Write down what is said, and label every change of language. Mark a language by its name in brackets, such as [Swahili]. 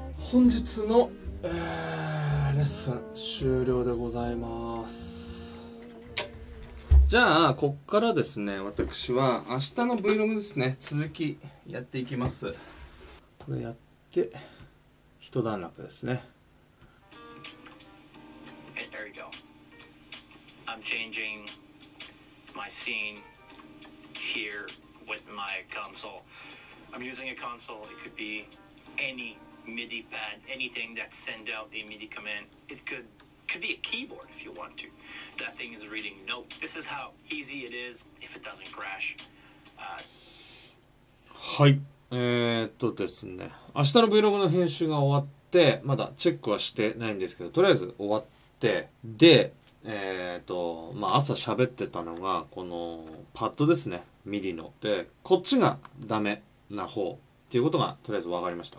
[Japanese] 本日の、レッスン終了でございます。じゃあこっからですね、私は明日の Vlog ですね、続きやっていきます。これやって一段落ですね。 [English] Hey, there you go. I'm changing my scene here with my console. I'm using a console. It could be anyMIDI pad, anything that send out a MIDI command. It could be a keyboard if you want to. That thing is reading note. This is how easy it is if it doesn't crash. [Japanese] はい、ですね、明日の Vlog の編集が終わって、まだチェックはしてないんですけど、とりあえず終わって、で、まあ、朝喋ってたのがこのパッドですね、 MIDI ので、こっちがダメな方っていうことがとりあえず分かりました。